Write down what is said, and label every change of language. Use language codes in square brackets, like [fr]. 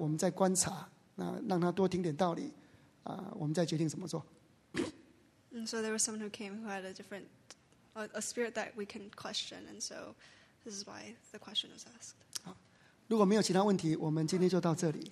[zh] 可能在比较特殊我们就碰一中文的了那这个因为我们在西班牙我们这里很多新的朋友来像我们看到一个lady来她有一种灵是让小弟觉得可以怀疑的灵因为灵不要判断的太快那小弟是说是可以怀疑的灵那我们再观察那让她多听点道理 我们再决定怎么做。 [en] And so there was someone who came who had a different, a spirit that we can question, and so this is why the question was asked. [zh] 如果没有其他问题，我们今天就到这里。